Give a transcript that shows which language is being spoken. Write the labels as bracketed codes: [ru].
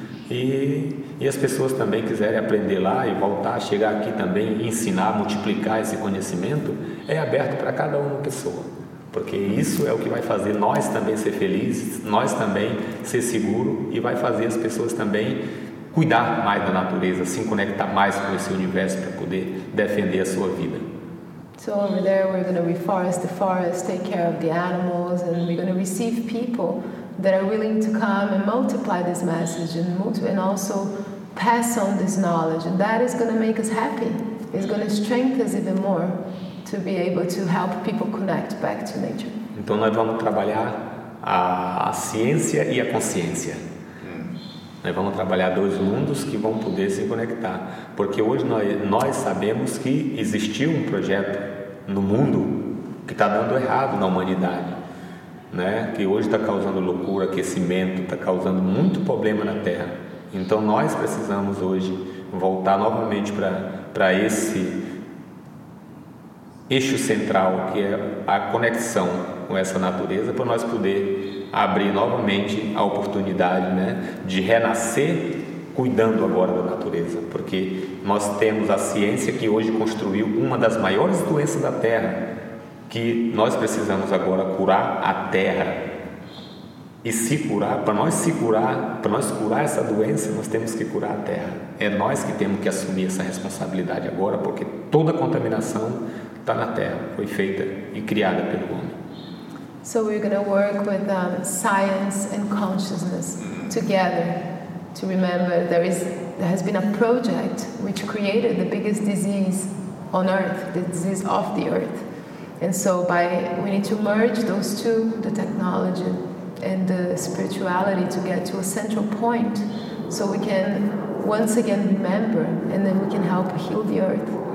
[pt] E as pessoas também quiserem aprender lá e voltar, chegar aqui também, ensinar, multiplicar esse conhecimento, é aberto para cada uma pessoa. Porque isso é o que vai fazer nós também ser felizes, nós também ser seguros e vai fazer as pessoas também cuidar mais da natureza, se conectar mais com esse universo para poder defender a sua vida. [en] So over there we're going to reforest the forest, take care of the animals, and we're going to receive people that are willing to come and multiply this message and also pass on this knowledge. And that is going to make us happy. It's going to strengthen us even more to be able to help people connect back to nature. [pt] Então nós vamos trabalhar a ciência e a consciência. Nós vamos trabalhar dois mundos que vão poder se conectar. Porque hoje nós sabemos que existiu um projeto no mundo que está dando errado na humanidade, né? Que hoje está causando loucura, aquecimento, está causando muito problema na Terra. Então nós precisamos hoje voltar novamente para esse eixo central, que é a conexão com essa natureza, para nós poder abrir novamente a oportunidade, né, de renascer cuidando agora da natureza, porque nós temos a ciência que hoje construiu uma das maiores doenças da Terra, que nós precisamos agora curar a Terra. E se curar, para nós curar essa doença, nós temos que curar a Terra. É nós que temos que assumir essa responsabilidade agora, porque toda a contaminação está na Terra, foi feita e criada pelo homem. [en] So we're going to work with science and consciousness together to remember there has been a project which created the biggest disease on Earth, the disease of the Earth. And so we need to merge those two, the technology and the spirituality, to get to a central point so we can once again remember, and then we can help heal the Earth.